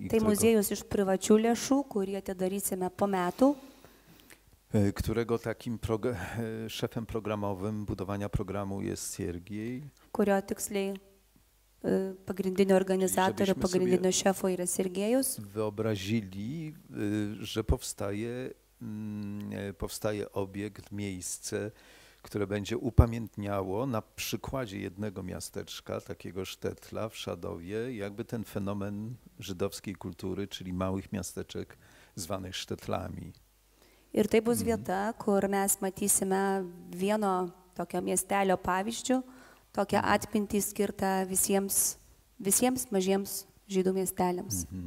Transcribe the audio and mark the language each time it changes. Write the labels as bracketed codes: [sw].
[lt] Tai muzejus iš privačių lėšų, kurį atidarysime po metu. [pl] Którego takim szefem programowym budowania programu jest Siergiej. [lt] Kurio tiksliai pagrindinio organizatorio, pagrindinio šefo yra Siergiejus. [pl] Wyobrazili, że powstaje obiekt, miejsce, które będzie upamiętniało na przykładzie jednego miasteczka, takiego Štetla w Šadowie, jakby ten fenomen żydowskiej kultury, czyli małych miasteczek zwanych Štetlami. [lt] Ir tai bus vieta, kur mes matysime vieno tokio miestelio pavyzdžių, tokią atmintį skirtą visiems mažiems žydų miesteliams.